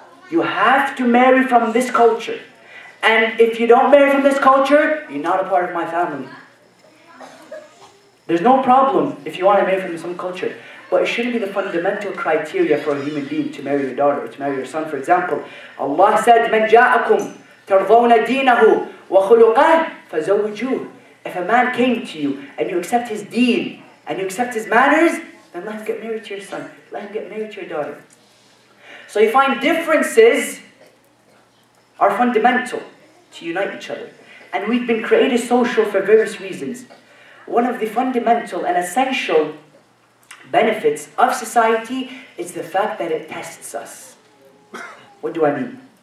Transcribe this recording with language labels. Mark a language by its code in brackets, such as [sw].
[en] You have to marry from this culture. And if you don't marry from this culture, you're not a part of my family. There's no problem if you want to marry from some culture. But it shouldn't be the fundamental criteria for a human being to marry your daughter or to marry your son, for example. Allah said, [ar] مَنْ جَاءَكُمْ تَرْضَوْنَ دِينَهُ وَخُلُقَهُ فَزَوْجُوهُ. [en] If a man came to you and you accept his deen and you accept his manners, then let him get married to your son. Let him get married to your daughter. So you find differences are fundamental to unite each other. And we've been created social for various reasons. One of the fundamental and essential benefits of society is the fact that it tests us. What do I mean?